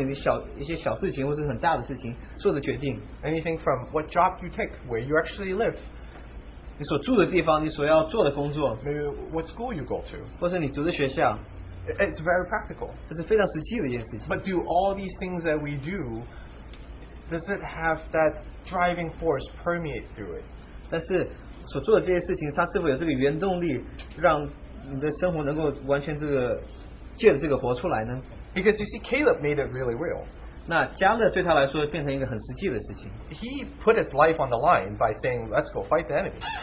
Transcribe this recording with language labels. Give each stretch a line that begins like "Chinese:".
Chinese: 因为你这要成为实际的话，你所有的决定就是你在生活当中的一些小事情或是很大的事情，所有的决定。
English: Anything from what job you take, where you actually live.
Chinese: 你所住的地方，你所要做的工作。
English: Maybe what school you go to.
Chinese: 或是你读的学校。
English: It's very practical.
Chinese: 这是非常实际的一件事情。
English: But do all these things that we do, does it have that driving force permeate through it?
Chinese: 但是所做的这些事情，它是否有这个原动力，让你的生活能够完全这个借着这个活出来呢？
English: Because you see, Caleb made it really real.
Chinese: 那加勒对他来说变成一个很实际的事情。
English: He put his life on the line by saying, "Let's go fight the enemy."